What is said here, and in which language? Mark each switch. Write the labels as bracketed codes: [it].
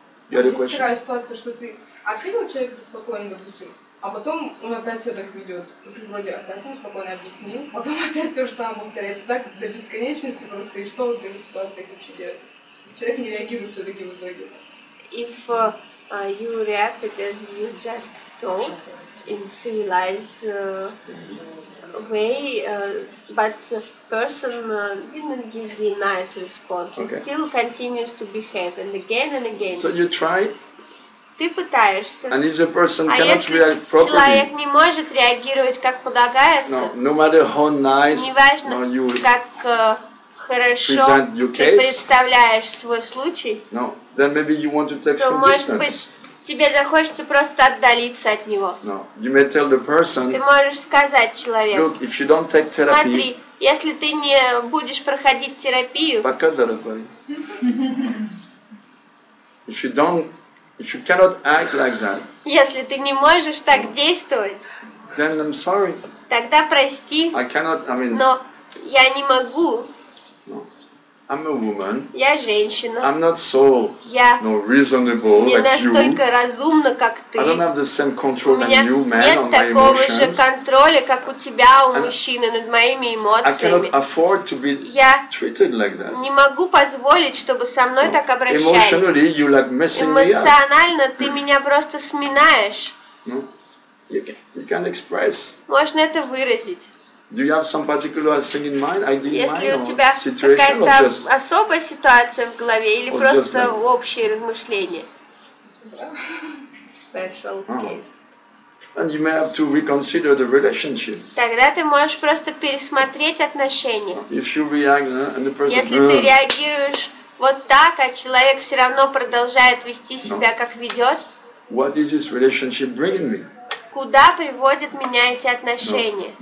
[ru] Такая ситуация, что ты открыл человека спокойно, допустим, а потом он опять себя так ведет. Ты вроде опять ему спокойно объяснил, потом опять то же самое повторяется. Так до бесконечности просто, и что в этой ситуации вообще делать? Человек не реагирует все-таки в итоге. [en] If you reacted as you just told, in civilized way, but the person didn't give me a nice response. Okay. He still continues to behave, and again and again. So you try. [ru] Ты пытаешься. [en] And if the person cannot react properly. [ru] А если человек не может реагировать как полагается. [en] No, no matter how nice. [ru] Неважно, [en] you [ru] как хорошо ты [en] case, [ru] представляешь свой случай. [en] No, then maybe you want to take some distance. [ru] Тебе захочется просто отдалиться от него. [en] No. You may tell the person, [ru] ты можешь сказать человеку, [en] look, if you don't take therapy, [ru] смотри, если ты не будешь проходить терапию, пока, дорогой. [en] If you cannot act like that, [ru] если ты не можешь так действовать, [en] then I'm sorry. [ru] Тогда прости, [en] I cannot, I mean, [ru] но я не могу. [en] I'm a woman. [ru] Я женщина. [en] I'm not so reasonable like [ru] you. Я не настолько разумна, как ты. [en] I don't have the same control than you, man, on my emotions. [ru] Нет такого же контроля, как у тебя, у мужчины, над моими эмоциями. [en] I cannot afford to be treated like that. [ru] Не могу позволить, чтобы со мной так обращались. [en] Emotionally, you like messing me up. [ru] Эмоционально ты меня просто сминаешь. [en] No, you can express. [ru] Можно это выразить. [en] Do you have some particular thing in mind, idea in [ru] Если [en] mind, [ru] у тебя какая-то особая ситуация в голове или просто общее размышление? [en] And you may have to reconsider the relationship. [ru] Тогда ты можешь просто пересмотреть отношения. [en] If you react, and the person, [ru] Если ты реагируешь вот так, а человек все равно продолжает вести себя, как ведет, [en] what is this relationship bringing me? [ru] Куда приводят меня эти отношения?